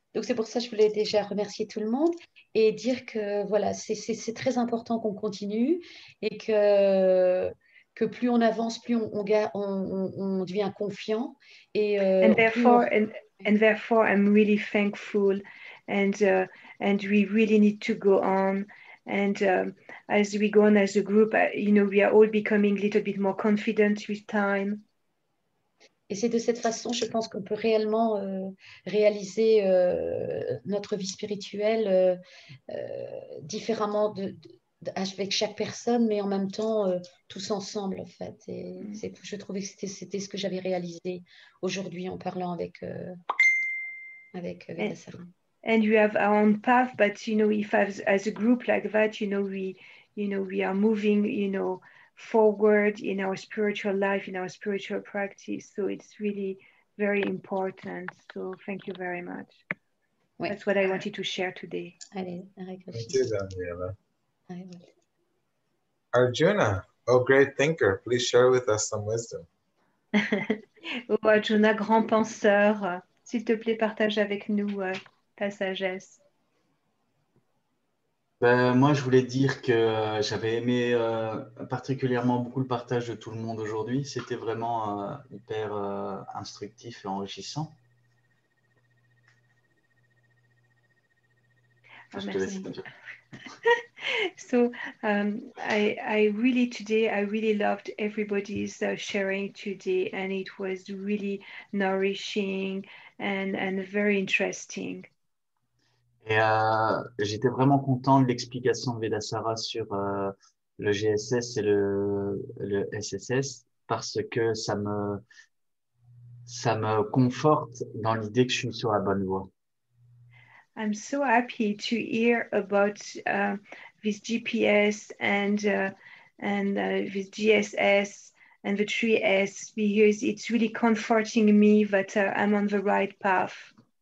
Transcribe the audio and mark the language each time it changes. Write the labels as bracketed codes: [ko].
[fr] Donc, c'est pour ça que je voulais déjà remercier tout le monde et dire que, voilà, c'est très important qu'on continue et que plus on avance, plus on devient confiant. [en] And therefore, I'm really thankful and we really need to go on. And as we go on as a group, you know, we are all becoming a little bit more confident with time. [fr] Et c'est de cette façon, je pense, qu'on peut réellement réaliser notre vie spirituelle différemment avec chaque personne, mais en même temps, tous ensemble, en fait. Et c'est, je trouvais que c'était ce que j'avais réalisé aujourd'hui en parlant avec Vanessa. [en] And you have our own path, but you know, if as a group like that, you know, we are moving, you know, forward in our spiritual life, in our spiritual practice. So it's really very important. So thank you very much. Oui. That's what I wanted to share today. Thank you, Daniela. Arjuna, oh great thinker, please share with us some wisdom. [fr] Oh Arjuna, grand penseur, s'il te plaît, partage avec nous. La sagesse. Moi, je voulais dire que j'avais aimé particulièrement beaucoup le partage de tout le monde aujourd'hui. C'était vraiment hyper instructif et enrichissant. [en] So I really today I really loved everybody's sharing today, and it was really nourishing and very interesting. [fr] Et j'étais vraiment content de l'explication de Vedasara sur le GSS et le SSS, parce que ça me conforte dans l'idée que je suis sur la bonne voie. [en] I'm so happy to hear about this GPS and this GSS and the 3S, because it's really comforting me that I'm on the right path.